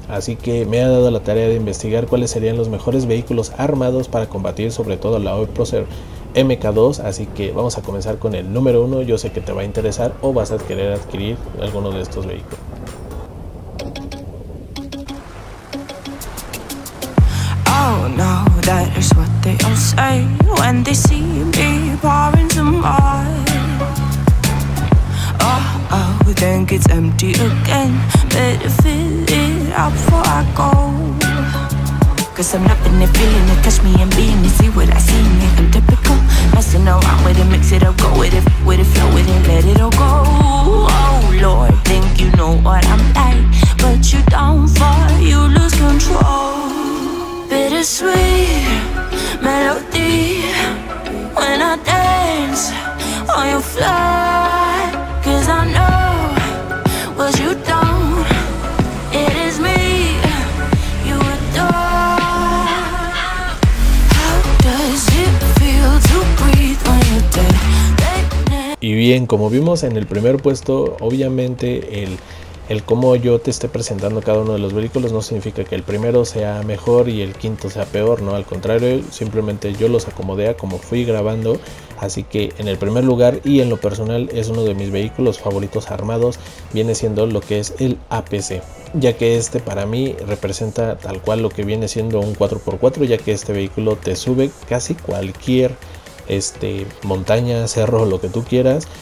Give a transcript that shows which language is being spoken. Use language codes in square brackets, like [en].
[es] Así que me ha dado la tarea de investigar cuáles serían los mejores vehículos armados para combatir, sobre todo la oppressor MK2. Así que vamos a comenzar con el número uno. Yo sé que te va a interesar o vas a querer adquirir alguno de estos vehículos. [en] Oh no, that is what they all say when they see me pouring some more. Oh oh, then gets empty again. Better fill it up before I go. Cause I'm not in it, feeling it, touch me and being it, see what I see in it. I'm typical, messing around with it, mix it up, go with it, flow with it, let it all go. Oh Lord, think you know what I'm like, but you don't fall, you lose control. Bittersweet melody when I dance on your floor. Cause I know what you don't. It is me you adore. How does it feel to breathe when you're dead? [es] Y bien, como vimos en el primer puesto, obviamente el cómo yo te esté presentando cada uno de los vehículos no significa que el primero sea mejor y el quinto sea peor, no, al contrario, simplemente yo los acomodé a como fui grabando. Así que en el primer lugar, y en lo personal es uno de mis vehículos favoritos armados, viene siendo lo que es el APC, ya que este para mí representa tal cual lo que viene siendo un 4x4, ya que este vehículo te sube casi cualquier montaña, cerro, lo que tú quieras.